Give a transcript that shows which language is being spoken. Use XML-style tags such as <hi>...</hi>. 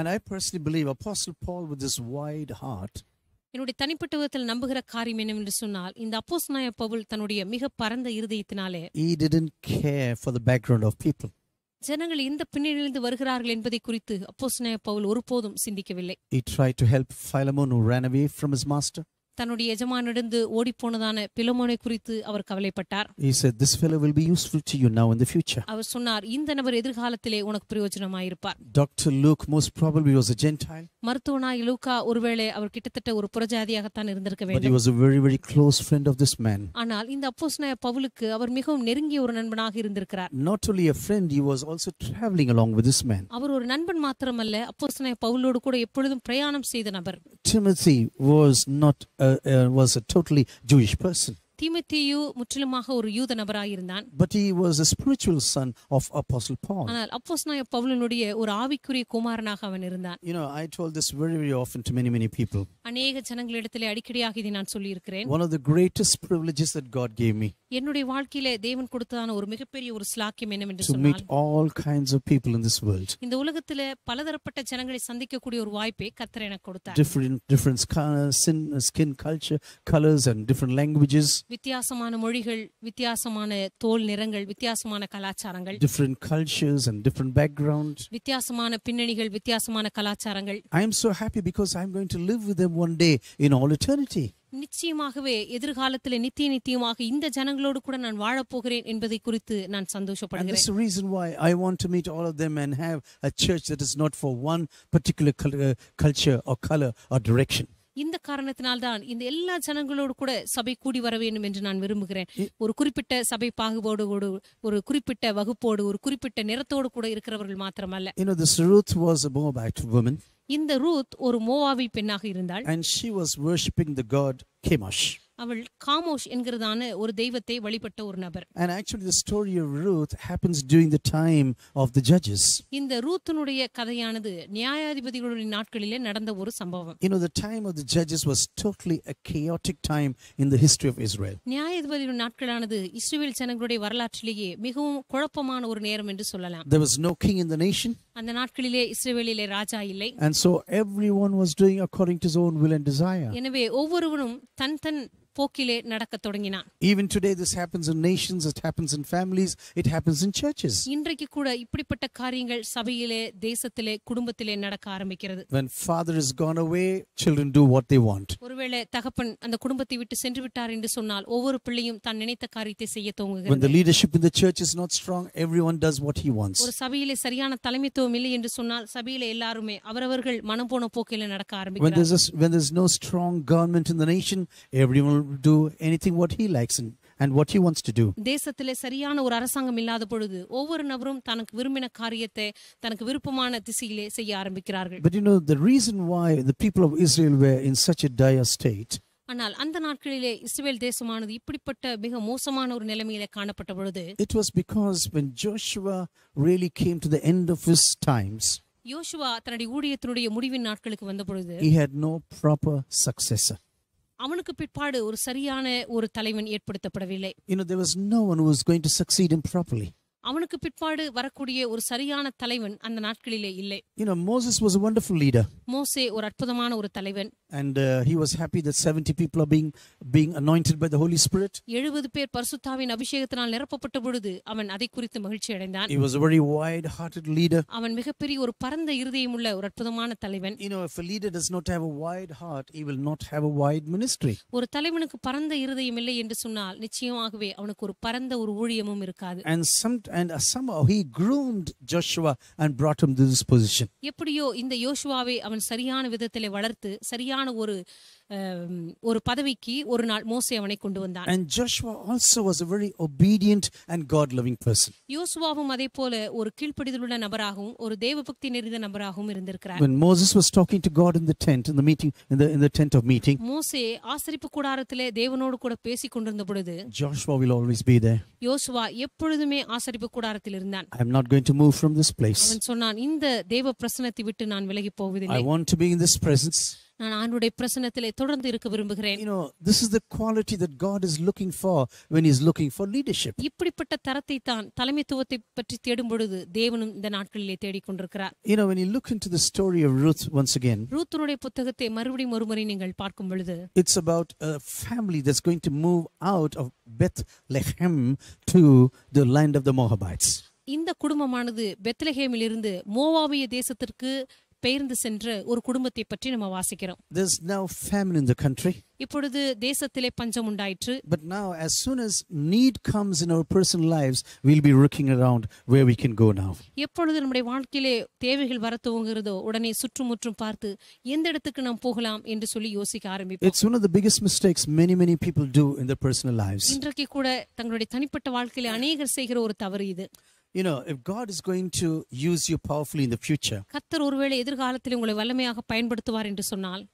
<en>And I personally believe Apostle Paul with his wide heart.</en> <ta>என்னுடைய தனிப்பட்ட விதத்தில் நம்புகிற காரியம் என்னவென்று சொன்னால் இந்த அப்போஸ்தலனாகிய பவுல் தன்னுடைய மிக பரந்த இருதயத்தினாலே,</ta> <en>he didn't care for the background of people.</en> <ta>ஜனங்கள் எந்த பின்னணியிலிருந்து வருகிறார்கள் என்பதை குறித்து அப்போஸ்தலனாகிய பவுல் ஒருபோதும் சிந்திக்கவில்லை.</ta> <en>He tried to help Philemon who ran away from his master.</en> <ta>தன்னுடைய எஜமானிடந்து ஓடி போனதான பிலமோனை குறித்து அவர் கவலைப்பட்டார்.</ta> <en>He said this fellow will be useful to you now in the future.</en> <ta>அவர் சொன்னார், இந்த நபர் எதிர்காலத்திலே உனக்கு பிரயோஜனமாயிருப்பார்.</ta> <en>Dr. Luke most probably was a Gentile.</en> <ta>மருத்துவனாய் லூக்கா ஒருவேளை அவர் கிட்டத்தட்ட ஒரு புறஜாதியாக தான் இருந்திருக்க வேண்டும்.</ta> <en>But he was a very very close friend of this man.</en> <ta>ஆனால் இந்த அப்போஸ்தலனாய் பவுலுக்கு அவர் மிகவும் நெருங்கிய ஒரு நண்பனாக இருந்திருக்கிறார்.</ta> <en>Not only a friend, he was also traveling along with this man.</en> <ta>அவர் ஒரு நண்பன் மாத்திரமல்ல, அப்போஸ்தலனாய் பவுலோடு கூட எப்பொழுதும் பிரயாணம் செய்த நபர்.</ta> <en>Timothy was not was a totally Jewish person.</en> <ta>தீமோத்தேயு முற்றிலுமாக ஒரு யூத நபராக இருந்தான்.</ta> <en>But he was a spiritual son of apostle Paul.</en> <ta>ஆனால் அப்போஸ்தலனாய் பவுலினுடைய ஒரு ஆவிக்குரிய குமாரனாக அவன் இருந்தான்.</ta> <en>You know, I told this very very often to many many people.</en> <ta>அநேக ஜனங்களிடத்திலே அடிக்கடியாக இதை நான் சொல்லி இருக்கிறேன்.</ta> <en>One of the greatest privileges that God gave me.</en> <ta>என்னுடைய வாழ்க்கையிலே தேவன் கொடுத்ததான ஒரு மிகப்பெரிய ஒரு சலாக்கியம் என்னவென்று சொன்னால்</ta> <en>To meet all kinds of people in this world.</en> <ta>இந்த உலகத்திலே பலதரப்பட்ட ஜனங்களை சந்திக்க கூடிய ஒரு வாய்ப்பை கர்த்தர் எனக்கு கொடுத்தார்.</ta> <en>Different skin culture, colors and different languages.</en> <ta>வித்தியாசமான மொழிகள், வித்தியாசமான தோல் நிறங்கள், வித்தியாசமான கலாச்சாரங்கள்,</ta> <en>different cultures and different backgrounds,</en> <ta>வித்தியாசமான பின்னணிகள், வித்தியாசமான கலாச்சாரங்கள்.</ta> <en>I am so happy because I am going to live with them one day in all eternity.</en> <ta>நிச்சயமாகவே எதிர்காலத்தில் நித்திய நித்தியமாக இந்த ஜனங்களோடு கூட நான் வாழப்போகிறேன் என்பதை குறித்து நான் சந்தோஷப்படுகிறேன்.</ta> <en>And this is the reason why I want to meet all of them and have a church that is not for one particular culture or color or direction.</en> <ta>இந்த காரணத்தினால்தான் இந்த எல்லா ஜனங்களோடு கூட சபை கூடி வர வேண்டும் என்று நான் விரும்புகிறேன். ஒரு குறிப்பிட்ட சபை பாகுபாடோடு, ஒரு குறிப்பிட்ட வகுப்போடு, ஒரு குறிப்பிட்ட நிறத்தோடு கூட இருக்கிறவர்கள் மாத்திரமல்ல.</ta> <en>You know, this Ruth was a Moabite woman.</en> <ta>இந்த ரூத் ஒரு மோவாவி பெண்ணாக இருந்தாள்.</ta> <en>And she was worshiping the god Chemosh.</en> <ta>அவள் காமோஷ் என்கிறதான ஒரு தெய்வத்தை வழிபட்ட ஒரு நபர்.</ta> <en>And actually the story of Ruth happens during the time of the judges.</en> <ta>இந்த ரூத்தினுடைய கதையானது நியாயாதிபதிகளின் நாட்களிலே நடந்த ஒரு சம்பவம்.</ta> <en>You know, the time of the judges was totally a chaotic time in the history of Israel.</en> <ta>நியாயாதிபதிகளின் நாட்களானது இஸ்ரவேல் ஜனங்களுடைய வரலாற்றிலேயே மிகவும் குழப்பமான ஒரு நேரம் என்று சொல்லலாம்.</ta> <en>There was no king in the nation.</en> <ta>அந்த நாட்களிலே இஸ்ரவேலிலே ராஜா இல்லை.</ta> <en>And so everyone was doing according to his own will and desire.</en> <ta>எனவே ஒவ்வொருவனும் தன் போக்கிலே நடக்க தொடங்கினான்.</ta> <en>Even today this happens in nations, it happens in families, it happens in churches.</en> <ta>இன்றைக்கு கூட இப்படிப்பட்ட காரியங்கள் சபையிலே, தேசத்திலே, குடும்பத்திலே நடக்க ஆரம்பிக்கிறது.</ta> <en>When father is gone away, children do what they want.</en> <ta>ஒருவேளை தகப்பன் அந்த குடும்பத்தை விட்டு சென்று விட்டார் என்று சொன்னால் ஒவ்வொரு பிள்ளையும் தன் நினைத்த காரியத்தை செய்ய துவங்குகிறது.</ta> <en>When the leadership in the church is not strong, everyone does what he wants.</en> <ta>ஒரு சபையிலே சரியான தலைமைத்துவம் இல்லை என்று சொன்னால் சபையிலே எல்லாருமே அவரவர்கள் மனம்போன போக்கிலே நடக்க ஆரம்பிக்கிறார்கள்.</ta> <en>When there's no strong government in the nation, everyone do anything what he likes and what he wants to do.</en> <ta>தேசத்திலே சரியான ஒரு அரசாங்கம் இல்லாத பொழுது ஒவ்வொரு நபரும் தனக்கு விரும்பின காரியத்தை தனக்கு விருப்பமான திசையிலே செய்ய ஆரம்பிக்கிறார்கள்.</ta> <en>But you know the reason why the people of Israel were in such a dire state.</en> <ta>ஆனால் அந்த நாட்களிலே இஸ்ரவேல் தேசமானது இப்படிப்பட்ட மிக மோசமான ஒரு நிலைமையிலே காணப்பட்ட பொழுது</ta> <en>It was because when Joshua really came to the end of his times.</en> <ta>யோசுவா தன்னுடைய ஊழியத்தினுடைய முடிவின் நாட்களுக்கு வந்த பொழுது</ta> <en>He had no proper successor.</en> <ta>அவனுக்கு பிற்பாடு ஒரு சரியான ஒரு தலைவன் ஏற்படுத்தப்படவில்லை.</ta> <en>You know, there was no one who was going to succeed him properly.</en> <ta>அவனுக்கு பிற்பாடு வரக்கூடிய ஒரு சரியான தலைவன் அந்த நாட்களிலே இல்லை.</ta> <en>You know, Moses was a wonderful leader.</en> <ta>மோசே ஒரு அற்புதமான ஒரு தலைவன்.</ta> <en>And he was happy that 70 people are being anointed by the Holy Spirit.</en> <ta>70 பேர் பரிசுத்தாவின் அபிஷேகத்தினால் நிரப்பப்பட்ட பொழுது அவன் அதை குறித்து மகிழ்ச்சி அடைந்தான்.</ta> <en>He was a very wide-hearted leader.</en> <ta>அவன் மிகப்பெரிய ஒரு பரந்த இருதயம் உள்ள ஒரு அற்புதமான தலைவன்.</ta> <en>You know, if a leader does not have a wide heart, he will not have a wide ministry.</en> <ta>ஒரு தலைவனுக்கு பரந்த இருதயம் இல்லை என்று சொன்னால் நிச்சயமாகவே அவனுக்கு ஒரு பரந்த ஒரு ஊழியமும் இருக்காது.</ta> <en>And somehow he groomed Joshua and brought him to this position.</en> <ta>எப்படியோ இந்த யோசுவாவை அவன் சரியான விதத்தில் வளர்த்து சரியான ஒரு ஒரு பதவிக்கு ஒரு நாள் மோசே அவனை கொண்டு வந்தான்.</ta> <en>And Joshua also was a very obedient and God-loving person.</en> <ta>யோசுவாவும் அதே போல ஒரு கீழ்ப்படிதலுள்ள நபராகவும் ஒரு தேவபக்தி நிறைந்த நபராகவும் இருந்திருக்கிறார்.</ta> <en>When Moses was talking to God in the tent, in the meeting, in the tent of meeting,</en> <ta>மோசே ஆசரிப்பு கூடாரத்திலே தேவனோடு கூட பேசிக் கொண்டிருந்த பொழுது,</ta> <en>Joshua will always be there.</en> <ta>யோசுவா எப்பொழுதுமே ஆசரிப்பு கூடாரத்தில் இருந்தான்.</ta> <en>I am not going to move from this place.</en> <ta>அவன் சொன்னான், இந்த தேவ பிரசன்னத்தை விட்டு நான் விலகி போவதில்லை.</ta> <en>I want to be in this presence.</en> <ta>நான் ஆண்டவருடைய பிரசன்னத்திலே தொடர்ந்து இருக்க விரும்புகிறேன்.</ta> <en>You know, this is the quality that God is looking for when he is looking for leadership.</en> <ta>இப்படிப்பட்ட தரத்தை தான் தலைமைத்துவத்தை பற்றி தேடும் பொழுது தேவனும் இந்த நாட்களிலே தேடிக் கொண்டிருக்கிறார்.</ta> <en>You know, when you look into the story of Ruth once again.</en> <ta>ரூத்தினுடைய புத்தகத்தை மறுபடியும் ஒருமுறை நீங்கள் பார்க்கும் பொழுது</ta> <en>It's about a family that's going to move out of Bethlehem to the land of the Moabites.</en> <ta>இந்த குடும்பமானது பெத்லகேமில் இருந்து மோவாவிய தேசத்திற்கு பெயர்ந்து சென்ற ஒரு குடும்பத்தை பற்றி நம்ம வாசிக்கிறோம்.</ta> <en>There's now famine in the country.</en> <ta>இப்பொழுது தேசத்திலே பஞ்சம் உண்டாயிற்று.</ta> <en>But now as soon as need comes in our personal lives, we'll be looking around where we can go now.</en> <ta>எப்பொழுது நம்முடைய வாழ்க்கையிலே தேவைகள் வரதுவங்கிறதோ உடனே சுற்றுமுற்றும் பார்த்து எந்த இடத்துக்கு நாம் போகலாம் என்று சொல்லி யோசிக்க ஆரம்பிப்போம்.</ta> <en>It's one of the biggest mistakes many people do in their personal lives.</en> <ta>இன்றைக்கு கூட தங்களுடைய தனிப்பட்ட வாழ்க்கையிலே அநேகர் செய்கிற ஒரு தவறு இது.</ta> <en>You know, if God is going to use you powerfully in the future,</en> <ta>கர்த்தர் ஒருவேளை எதிர்காலத்தில் உங்களை வல்லமையாக பயன்படுத்துவார் என்று சொன்னால்,</ta>